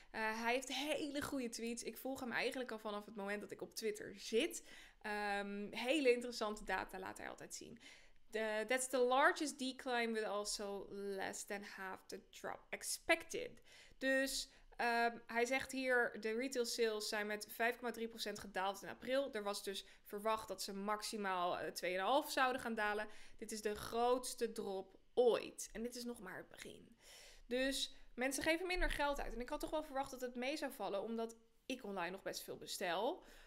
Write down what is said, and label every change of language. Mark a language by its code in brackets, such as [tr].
[nl] Hij heeft hele goede tweets. Ik volg hem eigenlijk al vanaf het moment dat ik op Twitter zit. Hele interessante data laat hij altijd zien. [en] That's the largest decline, but also less than half the drop expected. [nl] Dus hij zegt hier, de retail sales zijn met 5,3% gedaald in april. Er was dus verwacht dat ze maximaal 2,5% zouden gaan dalen. Dit is de grootste drop ooit. En dit is nog maar het begin. Dus mensen geven minder geld uit. En ik had toch wel verwacht dat het mee zou vallen, omdat ik online nog best veel bestel.